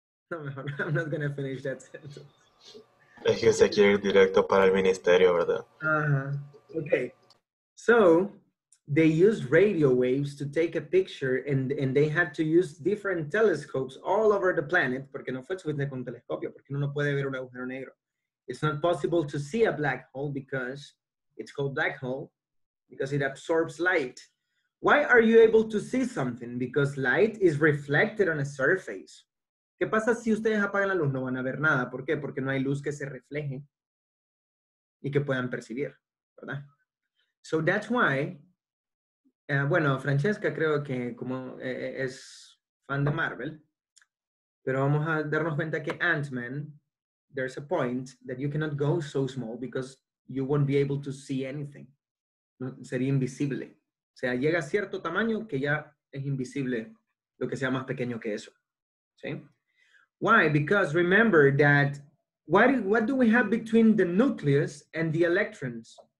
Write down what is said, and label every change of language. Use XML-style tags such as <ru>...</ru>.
<es>No, mejor,</es> <en>I'm not going to finish that sentence.</en> <es>Es que se quiere ir directo para el ministerio, ¿verdad? Uh-huh. Okay.</es> <en>So, they used radio waves to take a picture and they had to use different telescopes all over the planet.</en> <es>Porque no fue suficiente con un telescopio, porque uno no puede ver un agujero negro.</es> <en>It's not possible to see a black hole because it's called black hole, because it absorbs light. Why are you able to see something? Because light is reflected on a surface.</en> <es>¿Qué pasa si ustedes apagan la luz? No van a ver nada. ¿Por qué? Porque no hay luz que se refleje y que puedan percibir, ¿verdad?</es> <en>So that's why,</en> <es>bueno, Francesca creo que como es fan de Marvel, pero vamos a darnos cuenta que Ant-Man,</es> <en>there's a point that you cannot go so small because you won't be able to see anything.</en> <es>¿No? Sería invisible. O sea, llega a cierto tamaño que ya es invisible lo que sea más pequeño que eso.</es> <en>¿Sí? Why? Because remember that, what do we have between the nucleus and the electrons?</en>